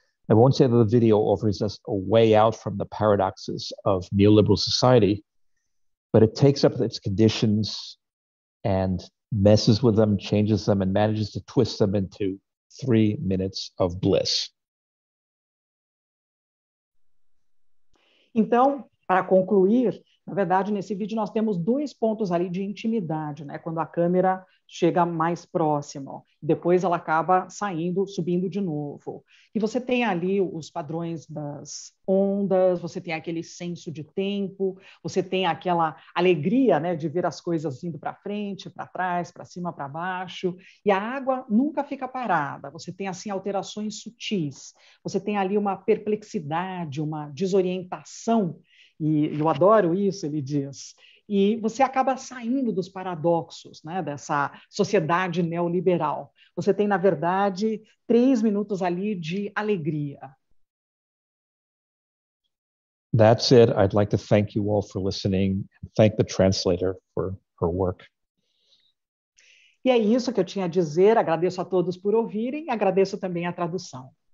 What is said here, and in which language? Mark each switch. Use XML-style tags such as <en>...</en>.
<en>I won't say that the video offers us a way out from the paradoxes of neoliberal society, but it takes up its conditions and messes with them, changes them, and manages to twist them into 3 minutes of bliss.</en> <pt>Então, para concluir, na verdade, nesse vídeo nós temos dois pontos ali de intimidade, né? Quando a câmera chega mais próximo, depois ela acaba saindo, subindo de novo. E você tem ali os padrões das ondas, você tem aquele senso de tempo, você tem aquela alegria, né, de ver as coisas indo para frente, para trás, para cima, para baixo. E a água nunca fica parada, você tem assim alterações sutis, você tem ali uma perplexidade, uma desorientação. E eu adoro isso, ele diz. e você acaba saindo dos paradoxos, né, dessa sociedade neoliberal. Você tem, na verdade, 3 minutos ali de alegria.</pt> <en>That's it. I'd like to thank you all for listening. Thank the translator for her work.</en> <pt>E é isso que eu tinha a dizer. Agradeço a todos por ouvirem e agradeço também a tradução.</pt>